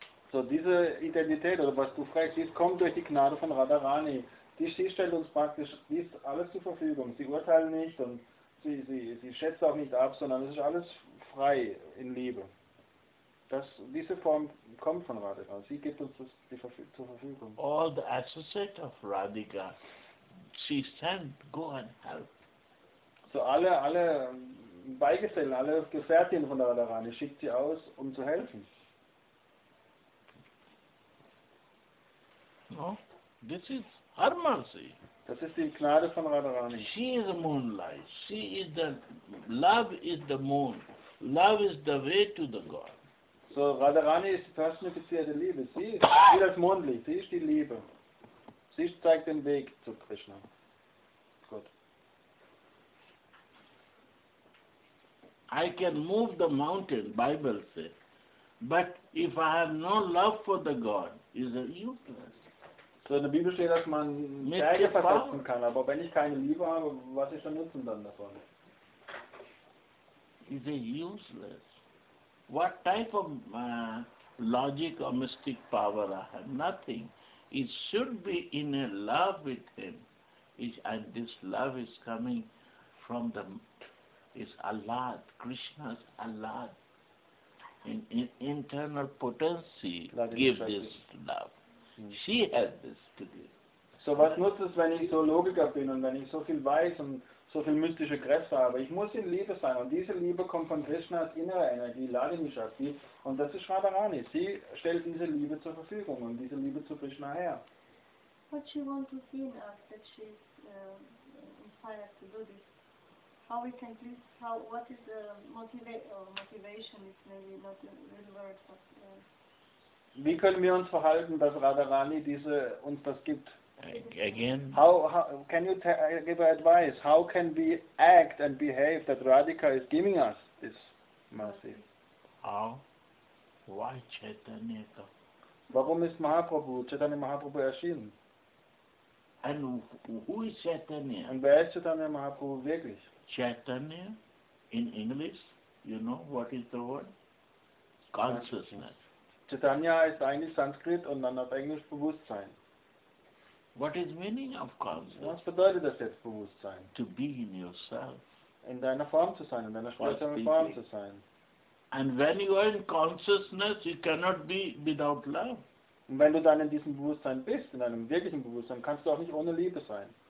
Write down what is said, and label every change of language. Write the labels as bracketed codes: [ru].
[de] So diese Identität, oder was du fragst, sie kommt durch die Gnade von Radharani. Sie stellt uns praktisch dies alles zur Verfügung. Sie urteilt nicht und sie schätzt auch nicht ab, sondern es ist alles frei in Liebe. Das, diese Form kommt von Radhika. Sie gibt uns das zur Verfügung. [en] All the associates of Radhika, she sent, go and help. [de] So alle Beigesellen, alle Gefährtinnen von der Radharani schickt sie aus, um zu helfen. [en] No, this is her mercy. [de] Das ist die Gnade von Radharani. [en] She is the moonlight. She is the love is the moon. Love is the way to the God. [de] So Radharani ist die personifizierte Liebe. Sie ist wie das Mondlicht. Sie ist die Liebe. Sie zeigt den Weg zu Krishna. Gut. [en] I can move the mountain, Bible says. But if I have no love for the God, is it useless? [de] So in der Bibel steht, dass man Berge versetzen kann. Aber wenn ich keine Liebe habe, was ist der Nutzen dann davon? [en] Is it useless? What type of logic or mystic power I have? Nothing. It should be in a love with him. And this love is coming from the is Allah, Krishna's Allah. In internal potency give this love. She has this to give. [de] So was nutzt es, wenn ich so Logiker bin und wenn ich so viel weiß und so viel mystische Kräfte habe? Ich muss in Liebe sein und diese Liebe kommt von Krishnas innerer Energie, Ladini Shakti, und das ist Radharani. Sie stellt diese Liebe zur Verfügung und diese Liebe zu Krishna her. [en] What she wants to see in us, that she is inspired to do this. How we can please, how, what is the motivation, is maybe not a real word, but... [de] Wie können wir uns verhalten, dass Radharani diese, uns das gibt? [en] Again. How can you give her advice? How can we act and behave that Radhika is giving us this mercy? How? Why Chaitanya? [de] Warum ist Mahaprabhu, Chaitanya Mahaprabhu erschienen? [en] And who is Chaitanya? [de] Und wer ist Chaitanya Mahaprabhu wirklich? [en] Chaitanya, in English, you know what is the word? Consciousness. [de] Chaitanya ist eigentlich Sanskrit und dann auf Englisch Bewusstsein. [en] What is meaning of consciousness? [de] Was bedeutet das jetzt, Bewusstsein? [en] To be in yourself. [de] In deiner Form zu sein, in deiner speziellen Form zu sein. [en] And when you are in consciousness, you cannot be without love. [de] Und wenn du dann in diesem Bewusstsein bist, in einem wirklichen Bewusstsein, kannst du auch nicht ohne Liebe sein.